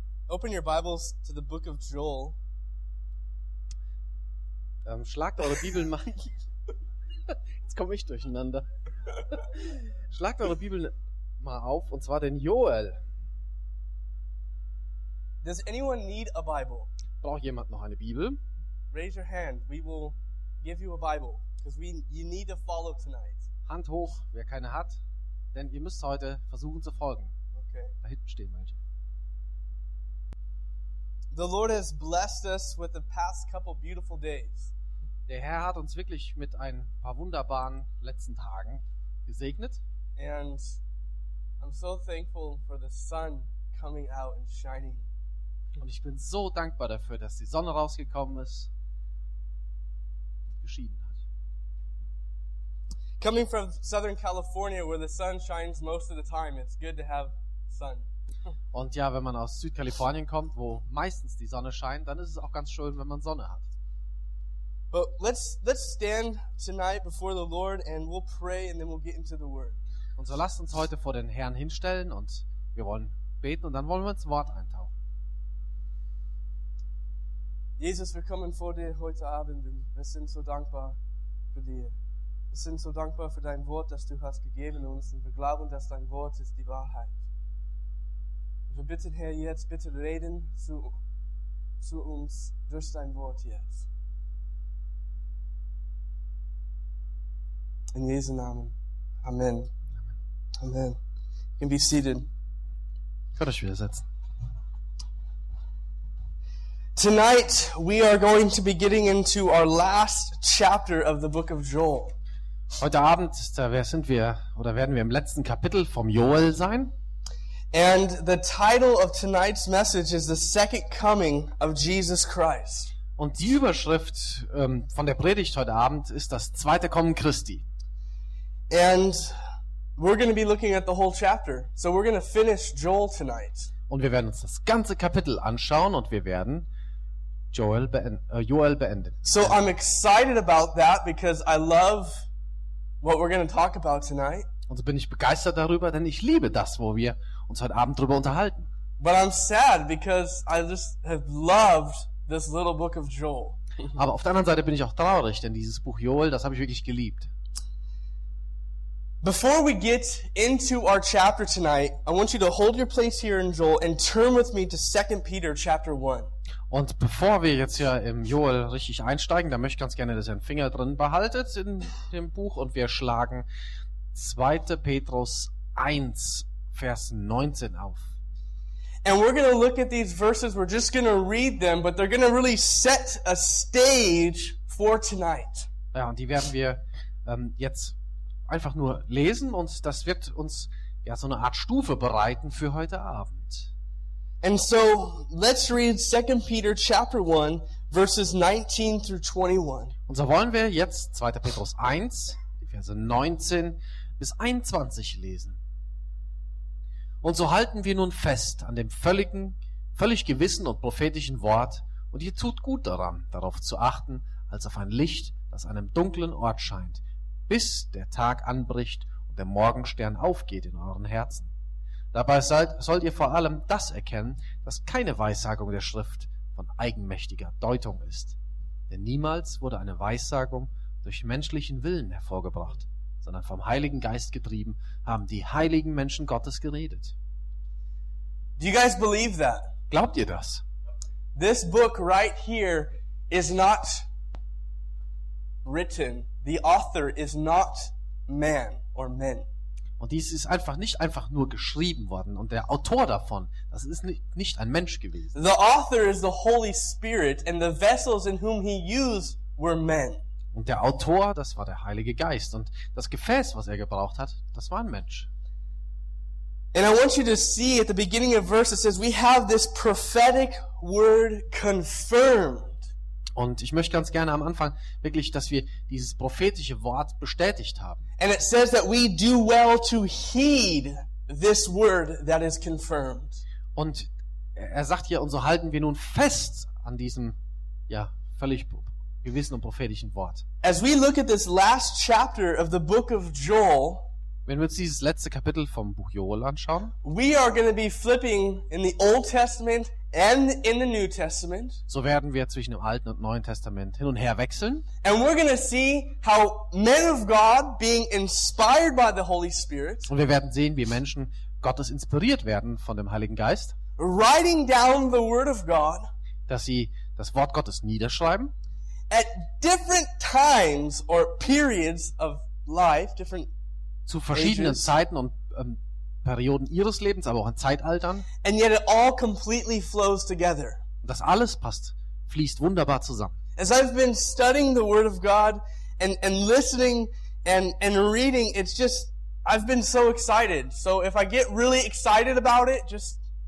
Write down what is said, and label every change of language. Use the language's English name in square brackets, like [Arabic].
[English] Open your Bibles to the book of Joel. [German] Schlagt eure Bibeln mal. Jetzt komme ich durcheinander. Schlagt eure Bibeln mal auf, und zwar den Joel. [English] Does anyone need a Bible? [German] Braucht jemand noch eine Bibel? [English] Raise your hand. We will give you a Bible, because you need to follow tonight. [German] Hand hoch, wer keine hat, denn ihr müsst heute versuchen zu folgen. [English] Okay. [German] Da hinten stehen welche. [English] The Lord has blessed us with the past couple beautiful days. [German] Der Herr hat uns wirklich mit ein paar wunderbaren letzten Tagen gesegnet. [English] And I'm so thankful for the sun coming out and shining. [German] Und ich bin so dankbar dafür, dass die Sonne rausgekommen ist und geschienen hat. [English] Coming from Southern California, where the sun shines most of the time, it's good to have sun. [German] Und ja, wenn man aus Südkalifornien kommt, wo meistens die Sonne scheint, dann ist es auch ganz schön, wenn man Sonne hat. [English] But let's stand tonight before the Lord and we'll pray and then we'll get into the Word. [German] Und so lasst uns heute vor den Herrn hinstellen und wir wollen beten und dann wollen wir ins Wort eintauchen. Jesus, wir kommen vor dir heute Abend und wir sind so dankbar für dir. Wir sind so dankbar für dein Wort, das du hast gegeben uns, und wir glauben, dass dein Wort ist die Wahrheit. Wir bitten, Herr, jetzt bitte reden zu uns durch dein Wort jetzt. In Jesu Namen. Amen. Amen. [English] You can be seated. [German] Kann ich wieder setzen. [English] Tonight we are going to be getting into our last chapter of the book of Joel. [German] Heute Abend werden wir im letzten Kapitel vom Joel sein. [English] And the title of tonight's message is the second coming of Jesus Christ. [German] Und die Überschrift von der Predigt heute Abend ist das zweite Kommen Christi. [English] And we're going to be looking at the whole chapter. So we're going to finish Joel tonight. [German] Und wir werden uns das ganze Kapitel anschauen und wir werden Joel beenden. [English] So I'm excited about that because I love what we're going to talk about tonight. [German] Und so bin ich begeistert darüber, denn ich liebe das, wo wir uns heute Abend drüber unterhalten. [English] But I'm sad because I just have loved this little book of Joel. [German] Aber auf der anderen Seite bin ich auch traurig, denn dieses Buch Joel, das habe ich wirklich geliebt. [English] Before we get into our chapter tonight, I want you to hold your place here in Joel and turn with me to 2 Peter chapter 1. [German] Und bevor wir jetzt hier im Joel richtig einsteigen, da möchte ich ganz gerne, dass ihr einen Finger drin behaltet in dem Buch und wir schlagen 2. Petrus 1, Vers 19 auf. [English] And we're going to look at these verses, we're just going to read them, but they're going to really set a stage for tonight. [German] Ja, und die werden wir jetzt einfach nur lesen und das wird uns ja so eine Art Stufe bereiten für heute Abend. [English] And so let's read 2 Peter chapter 1 verses 19 through 21. [German] Und so wollen wir jetzt 2. Petrus 1, die Verse 19 bis 21 lesen. Und so halten wir nun fest an dem völlig gewissen und prophetischen Wort und ihr tut gut daran, darauf zu achten, als auf ein Licht, das einem dunklen Ort scheint, bis der Tag anbricht und der Morgenstern aufgeht in euren Herzen. Dabei sollt ihr vor allem das erkennen, dass keine Weissagung der Schrift von eigenmächtiger Deutung ist. Denn niemals wurde eine Weissagung durch menschlichen Willen hervorgebracht, sondern vom Heiligen Geist getrieben haben die heiligen Menschen Gottes geredet. [English] Do you guys believe that? [German] Glaubt ihr das? [English] This book right here is not written. The author is not man or men. [German] Und dies ist nicht einfach nur geschrieben worden. Und der Autor davon, das ist nicht ein Mensch gewesen. [English] The author is the Holy Spirit, and the vessels in whom he used were men. [German] Und der Autor, das war der Heilige Geist. Und das Gefäß, was er gebraucht hat, das war ein Mensch. [English] And I want you to see at the beginning of verse, it says we have this prophetic word confirmed. [German] Und ich möchte ganz gerne am Anfang wirklich, dass wir dieses prophetische Wort bestätigt haben. [English] And it says that we do well to heed this word that is confirmed. [German] Und er sagt hier, und so halten wir nun fest an diesem, ja, völlig gewissen und prophetischen Wort. [English] As we look at this last chapter of the book of Joel, [German] wenn wir uns dieses letzte Kapitel vom Buch Joel anschauen, [English] we are going to be flipping in the Old Testament and in the New Testament. [German] So werden wir zwischen dem Alten und Neuen Testament hin und her wechseln. [English] And we're going to see how men of God being inspired by the Holy Spirit. [German] Und wir werden sehen, wie Menschen Gottes inspiriert werden von dem Heiligen Geist. [English] Writing down the word of God. [German] Dass sie das Wort Gottes niederschreiben. [English] At different times or periods of life, different [German] zu verschiedenen ages. Zeiten und Perioden ihres Lebens, aber auch in Zeitaltern. [English] And yet it all completely flows together. [German] Das alles passt, fließt wunderbar zusammen. [English] As I've been studying the Word of God and listening and reading, it's just I've been so excited. So if I get really excited about it, just